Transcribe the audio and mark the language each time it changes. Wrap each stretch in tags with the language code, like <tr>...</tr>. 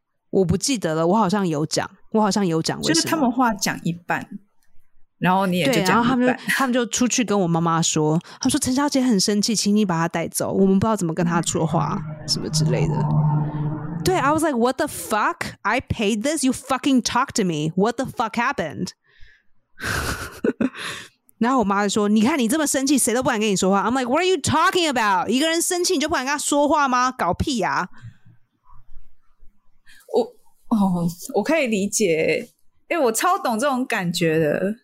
<zh>我不记得了，我好像有讲，就是他们话讲一半，然后你也就讲一半，对，然后他们就出去跟我妈妈说，他们说陈小姐很生气，请你把她带走，我们不知道怎么跟她说话什么之类的。</zh> <en>对 ，I was like what the fuck? I paid this, you fucking talk to me. What the fuck happened?</en> <zh>然后我妈就说，你看你这么生气，谁都不敢跟你说话。</zh> <en>I'm like what are you talking about?</en> <zh>一个人生气你就不敢跟他说话吗？搞屁呀！我可以理解，因为我超懂这种感觉的。</zh>